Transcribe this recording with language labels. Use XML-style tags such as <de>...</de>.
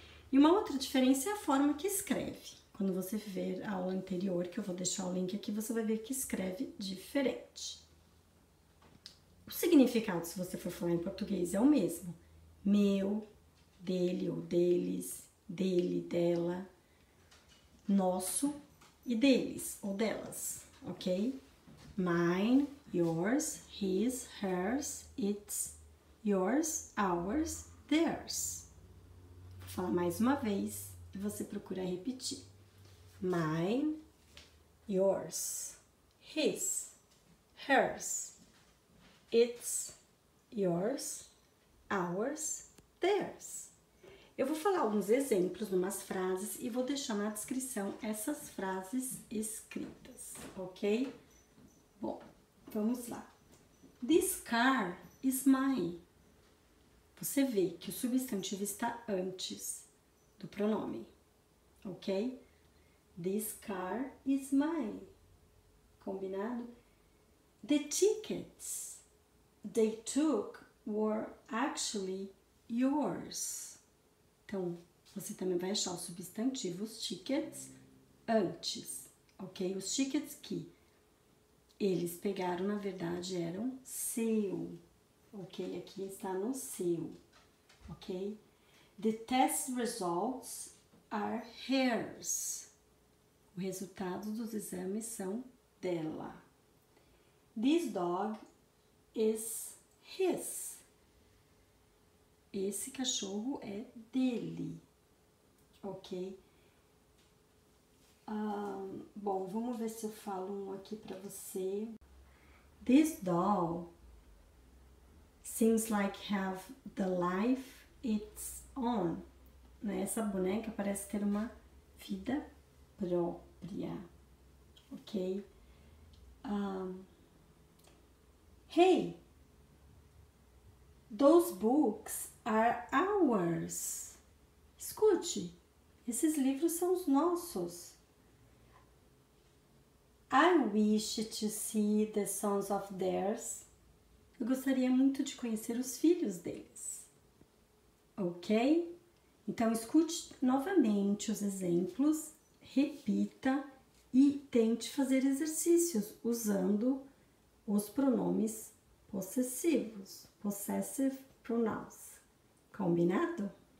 <pt>E uma outra diferença é a forma que escreve. Quando você ver a aula anterior, que eu vou deixar o link aqui, você vai ver que escreve diferente. O significado, se você for falar em português, é o mesmo. Meu, dele ou deles, dele, dela, nosso e deles ou delas, ok?</pt> <en>Mine, yours, his, hers, its, yours, ours, theirs.</en> <pt>Vou falar mais uma vez e você procura repetir.</pt> <en>Mine, yours, his, hers, its, yours, ours. Theirs.</en> <pt>Eu vou falar alguns exemplos, umas frases, e vou deixar na descrição essas frases escritas, ok? Bom, vamos lá.</pt> <en>This car is mine.</en> <pt>Você vê que o substantivo está antes do pronome, ok?</pt> <en>This car is mine. Combinado? The tickets they took were actually yours.</en> <pt>Então, você também vai achar os substantivos, os tickets, antes, ok? Os tickets que eles pegaram, na verdade, eram seu, ok? porque ele aqui está no seu, ok?</pt> <en>The test results are hers.</en> <pt>O resultado dos exames são dela.</pt> <en>This dog is his.</en> <pt>Esse cachorro é dele, ok? Bom, vamos ver se eu falo um aqui pra você.</pt> <en>This doll seems like have the life it's on.</en> <pt>Né? Essa boneca parece ter uma vida própria, ok?</pt> <en>Hey, those books are ours.</en> <pt>Escute, esses livros são os nossos.</pt> <en>I wish to see the sons of theirs.</en> <pt>Eu gostaria muito de conhecer os filhos deles. Ok? Então, escute novamente os exemplos, repita e tente fazer exercícios usando os pronomes possessivos,</pt> <en>possessive pronouns.</en> <pt>Combinado?</pt>